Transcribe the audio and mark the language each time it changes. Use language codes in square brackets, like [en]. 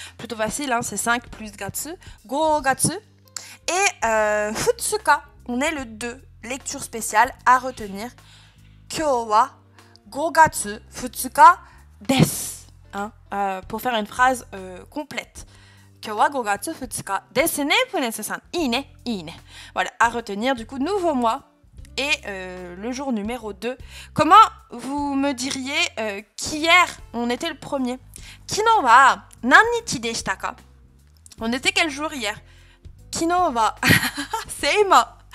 [fr] Plutôt facile, hein, c'est 5 plus gatsu. Gogatsu. Et futsuka. On est le 2. lecture spéciale à retenir. [ja] 今日は5月2日です。Hein? [fr] Pour faire une phrase complète. [ja] 今日は5月2日ですね、プレンセさん。いいね、いいね。 [fr] Voilà, à retenir du coup, nouveau mois et le jour numéro 2. Comment vous me diriez qu'hier, on était le premier ? [ja] 昨日は何日でしたか [fr] ? On était quel jour hier ? [ja] 昨日は [fr] c'est moi.